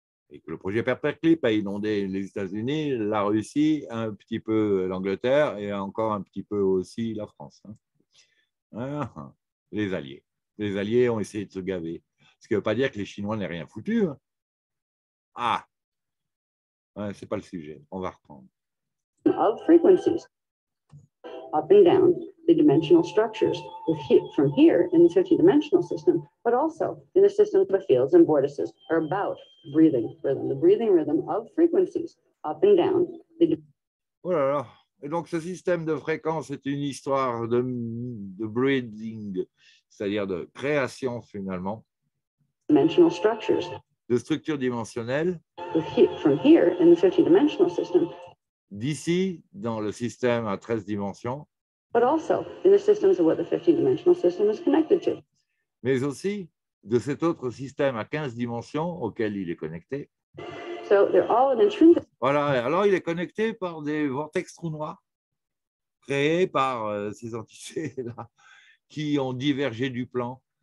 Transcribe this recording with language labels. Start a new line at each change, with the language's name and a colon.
French: Et que le projet Paperclip a inondé les États-Unis, la Russie, un petit peu l'Angleterre et encore un petit peu aussi la France. Les alliés. Les alliés ont essayé de se gaver. Ce qui ne veut pas dire que les Chinois n'aient rien foutu. Hein. Ah, ouais, ce n'est pas le sujet. On va reprendre.
English: Of frequencies, up and down, the dimensional structures, from here in the 50-dimensional system, but also in the system of fields and vortices, are about breathing rhythm, the breathing rhythm of frequencies, up and down.
French: Voilà. Et donc, ce système de fréquences est une histoire de breathing, c'est-à-dire de création, finalement,
English: dimensional structures.
French: De structures dimensionnelles
English: from here in the 50-dimensional system.
French: D'ici, dans le système à 13 dimensions,
English: but also in the systems of what the 50-dimensional system is connected to.
French: Mais aussi de cet autre système à 15 dimensions auquel il est connecté.
English: So they're all an intrinsic.
French: Voilà, alors il est connecté par des vortex trous noirs créés par ces entités-là qui ont divergé du plan.